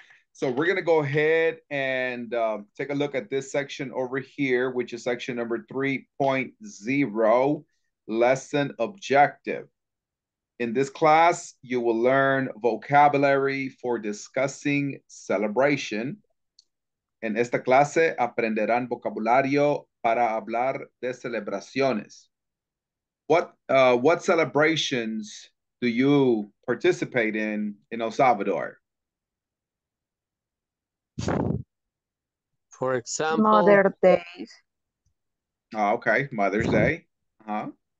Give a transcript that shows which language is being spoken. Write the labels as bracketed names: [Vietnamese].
[English] So we're gonna go ahead and take a look at this section over here, which is section number 3.0, lesson objective. In this class, you will learn vocabulary for discussing celebration. [Spanish] En esta clase, aprenderán vocabulario para hablar de celebraciones. [English] What celebrations do you participate in El Salvador? For example, Mother Days. Oh, okay, Mother's Day. Yes.